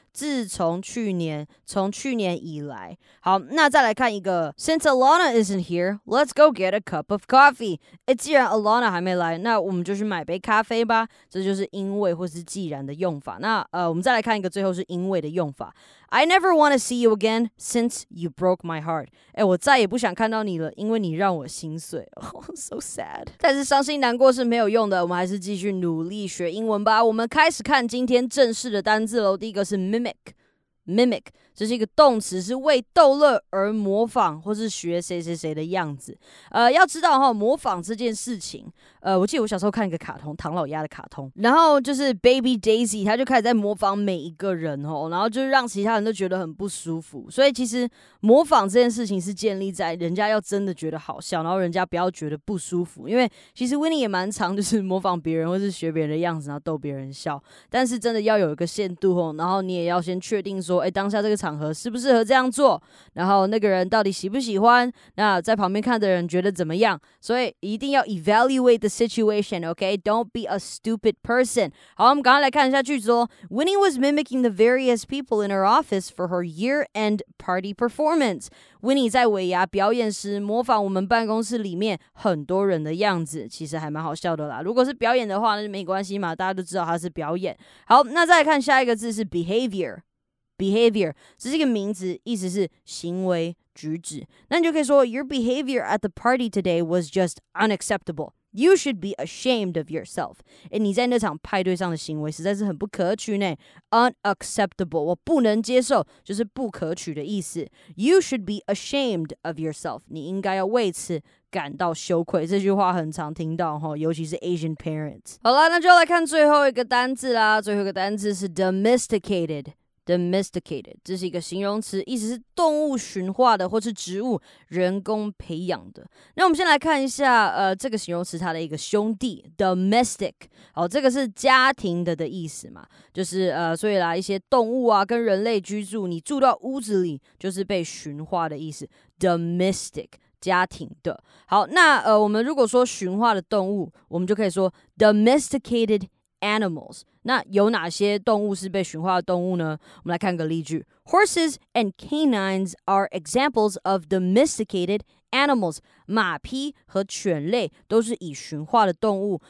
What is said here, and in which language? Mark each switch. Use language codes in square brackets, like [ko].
[zh] 自从去年，从去年以来。好，那再来看一个 [en] Since Alana isn't here, let's go get a cup of coffee. [zh] 诶，既然 Alana 还没来，那我们就去买杯咖啡吧。这就是因为或是既然的用法。那我们再来看一个最后是因为的用法。 [en] I never want to see you again since you broke my heart. [zh] 诶，我再也不想看到你了，因为你让我心碎。 [en] Oh, so sad. [zh] 但是伤心难过是没有用的，我们还是继续努力学英文吧。我们开始看今天正式的单字咯。第一个是Mimic， 这是一个动词，是为逗乐而模仿或是学谁谁谁的样子。要知道齁，模仿这件事情，我记得我小时候看一个卡通，唐老鸭的卡通，然后就是 Baby Daisy， 他就开始在模仿每一个人齁，然后就让其他人都觉得很不舒服。所以其实模仿这件事情是建立在人家要真的觉得好笑，然后人家不要觉得不舒服。因为其实 Winnie 也蛮常就是模仿别人或是学别人的样子，然后逗别人笑。但是真的要有一个限度齁，然后你也要先确定说，哎，当下这个场合适不适合这样做，然后那个人到底喜不喜欢，那在旁边看的人觉得怎么样。所以一定要 [en] evaluate the situation， OK， don't be a stupid person。 [zh] 好，我们赶快来看一下句子哦。 [en] Winnie was mimicking the various people in her office for her year end party performance。 [zh] Winnie 在尾牙表演时模仿我们办公室里面很多人的样子，其实还蛮好笑的啦。如果是表演的话那就没关系嘛，大家都知道他是表演。好，那再来看下一个字是 behavior， 这是一个名词，意思是行为、举止。那你就可以说 [en] Your behavior at the party today was just unacceptable. You should be ashamed of yourself. [zh] 你在那场派对上的行为实在是很不可取呢。 Unacceptable， 我不能接受，就是不可取的意思。 [en] You should be ashamed of yourself. [zh] 你应该要为此感到羞愧，这句话很常听到齁，尤其是 [en] Asian parents。 [zh] 好啦，那就来看最后一个单字啦。最后一个单字是 domesticated。Domesticated， 这是一个形容词，意思是动物驯化的或是植物人工培养的。那我们先来看一下这个形容词它的一个兄弟 domestic。好，这个是家庭的意思嘛，就是所以啦，一些动物啊跟人类居住，你住到屋子里就是被驯化的意思， domestic， 家庭的。好，那我们如果说驯化的动物，我们就可以说 [en] domesticated animals。 [zh] 那有哪些动物是被驯化的动物呢？我们来看个例句。 [en] Horses and canines are examples of domesticated animals. [zh] 马匹和犬类都是已驯化的动物。